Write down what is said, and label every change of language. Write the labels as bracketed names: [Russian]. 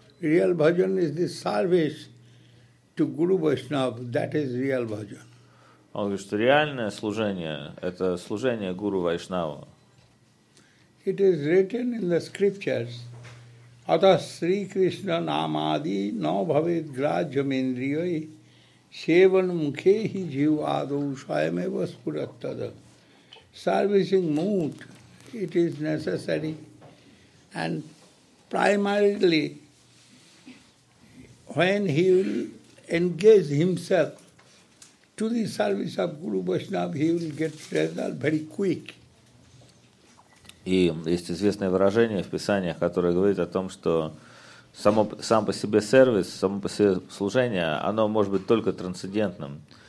[English] Real bhajan is the service to Guru Vaishnava, that is real bhajan. [Russian] Он говорит, что реальное служение – это служение Гуру Вайшнава. [English] It is written in the scriptures. [Sanskrit] Ata Sri Krishna Namadi No Bhavet Grajamindriyai Shevan Mukhehi Jivadu Shayameva Spurattada. [English] Servicing mood, it is necessary. And primarily, when he will engage himself to the service of Guru Vaishnava, he will get result very quick. [Russian] И есть известное выражение в Писаниях, которое говорит о том, что сам по себе сервис, само по себе служение, оно может быть только трансцендентным.